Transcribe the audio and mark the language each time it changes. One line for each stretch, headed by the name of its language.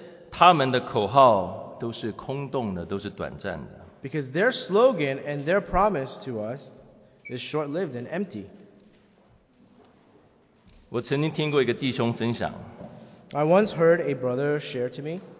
Chinese: 他们的口号都是空洞的，都是短暂的。
English: Because their slogan and their promise to us is short-lived and empty.
Chinese: 我曾经听过一个弟兄分享。
English: I once heard a brother share to me.